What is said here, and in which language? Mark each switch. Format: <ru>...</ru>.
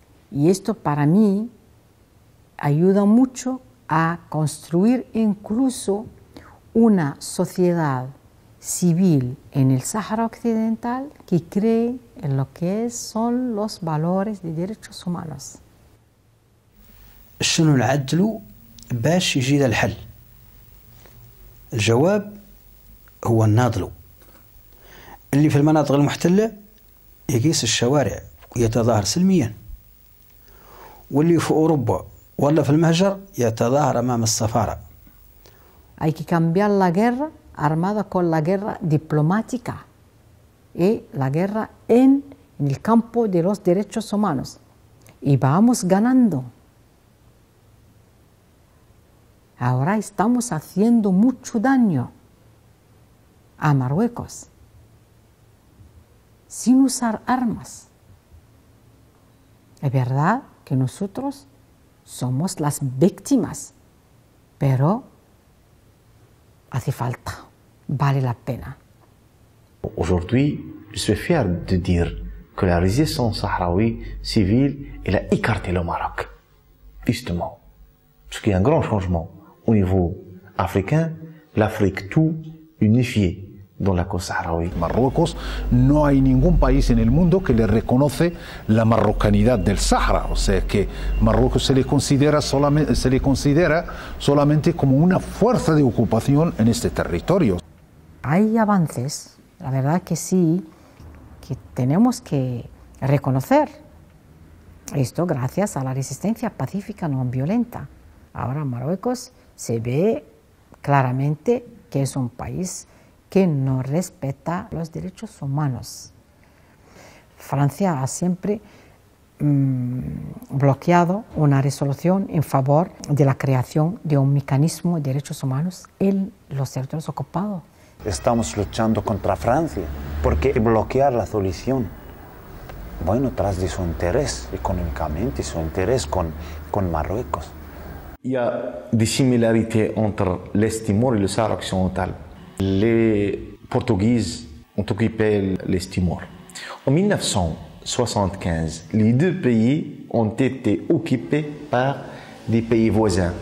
<es>Y esto para mí ayuda mucho a construir incluso una sociedad civil en el Sáhara Occidental que cree en lo que son los valores de derechos humanos.</es> <ar>شنو نعدلو باش يجي الحل؟ الجواب هو الناضلو اللي في المناطق المحتلة يقيس الشوارع ويتظاهر سلميا، واللي في أوروبا ولا في المهجر يتظاهر أمام السفارة.</ar> <es>Hay que cambiar la guerra armada con la guerra diplomática y la guerra en el campo de los derechos humanos y vamos ganando. Ahora estamos haciendo mucho daño a Marruecos sin usar armas. Es verdad que nosotros somos las víctimas, pero hace falta, vale la pena.</es> <fr>Aujourd'hui, je suis fier de dire que la résistance sahraoui civile elle a écarté le Maroc. Justement, ce qui est un grand changement. Au niveau africain, l'Afrique tout unifiée dans la cause sahraoui.</fr> <es>Marruecos, no hay ningún país en el mundo que le reconoce la marrocanidad del Sahara. O sea que Marruecos se le considera solamente como una fuerza de ocupación en este territorio. Hay avances, la verdad que sí, que tenemos que reconocer esto gracias a la resistencia pacífica no violenta. Ahora Marruecos se ve claramente que es un país que no respeta los derechos humanos. Francia ha siempre bloqueado una resolución en favor de la creación de un mecanismo de derechos humanos en los territorios ocupados. Estamos luchando contra Francia porque bloquear la solución, bueno, tras de su interés económicamente, su interés con Marruecos.</es> <fr>Il y a des similarités entre l'Est Timor et le Sahara occidental. Les Portugais ont occupé l'Est Timor. En 1975, les deux pays ont été occupés par des pays voisins.</fr>